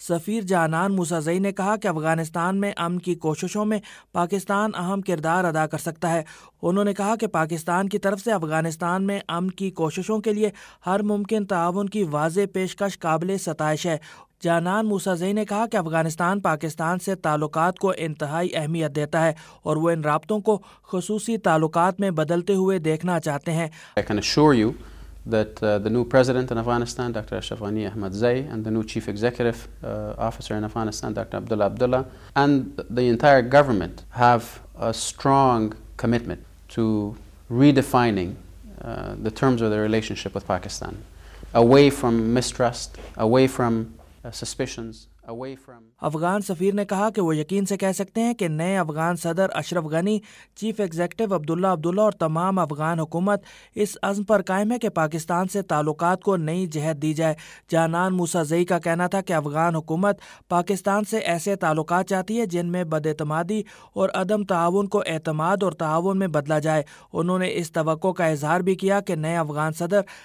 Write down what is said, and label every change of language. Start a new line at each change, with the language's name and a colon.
Urdu: سفیر جانان موسیٰ زئی نے کہا کہ افغانستان میں امن کی کوششوں میں پاکستان اہم کردار ادا کر سکتا ہے۔ انہوں نے کہا کہ پاکستان کی طرف سے افغانستان میں امن کی کوششوں کے لیے ہر ممکن تعاون کی واضح پیشکش قابل ستائش ہے۔ جانان موسیٰ زئی نے کہا کہ افغانستان پاکستان سے تعلقات کو انتہائی اہمیت دیتا ہے، اور وہ ان رابطوں کو خصوصی تعلقات میں بدلتے ہوئے دیکھنا چاہتے ہیں۔
English: I can assure you that the new president in Afghanistan, Dr. Ashraf Ghani Ahmad Zai, and the new chief executive officer in Afghanistan, Dr. Abdullah Abdullah, and the entire government have a strong commitment to redefining the terms of their relationship with Pakistan, away from mistrust, away from suspicions.
Urdu: Afghan سفیر نے کہا کہ وہ یقین سے کہہ سکتے ہیں کہ نئے افغان صدر اشرف غنی، چیف ایگزیکٹو عبداللہ عبداللہ اور تمام افغان حکومت اس عزم پر قائم ہے کہ پاکستان سے تعلقات کو نئی جہت دی جائے۔ جانان موسیٰ زئی کا کہنا تھا کہ افغان حکومت پاکستان سے ایسے تعلقات چاہتی ہے جن میں بد اعتمادی اور عدم تعاون کو اعتماد اور تعاون میں بدلا جائے۔ انہوں نے اس توقع کا اظہار بھی کیا کہ نئے افغان صدر